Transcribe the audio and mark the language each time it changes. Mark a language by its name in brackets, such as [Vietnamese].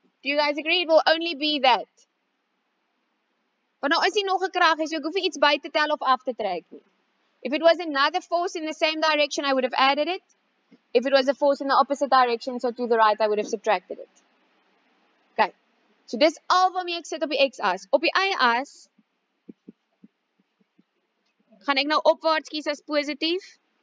[English] Do you guys agree it will only be that? [Afrikaans] Want nou is hier nog 'n krag, so ek hoef iets by te tel of af te trek nie. [English] If it was another force in the same direction, I would have added it. If it was a force in the opposite direction, so to the right, I would have subtracted it. Okay. [Afrikaans] So dis al waarmee ek sit op die x-as. Op die y-as, gaan ek nou opwaarts kies as positief.